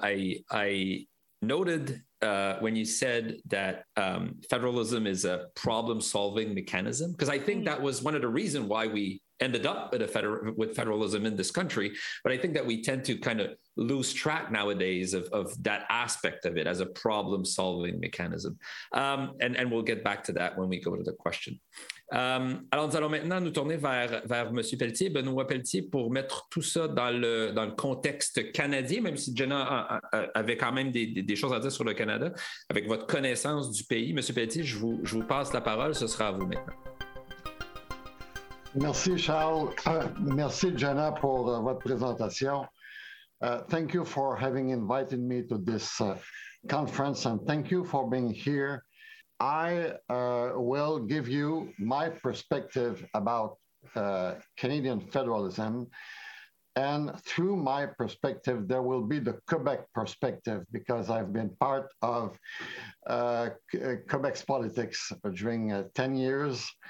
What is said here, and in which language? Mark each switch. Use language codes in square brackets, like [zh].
[en] I noted when you said that federalism is a problem-solving mechanism, because I think that was one of the reasons why we ended up at with federalism in this country. But I think that we tend to kind of lose track nowadays of that aspect of it as a problem-solving mechanism. And we'll get back to that when we go to the question. [fr] Alors, nous allons maintenant nous tourner vers M. Pelletier, Benoît Pelletier, pour mettre tout ça dans le contexte canadien, même si Jenna avait quand même des choses à dire sur le Canada, avec votre connaissance du pays. M. Pelletier, je vous passe la parole, ce sera à vous maintenant. Merci, Charles. Merci, Jenna, pour votre présentation. [en] Thank you for having invited me to this conference, and thank you for being here. I will give you my perspective about Canadian federalism. And through my perspective, there will be the Quebec perspective, because I've been part of Quebec's politics during 10 years.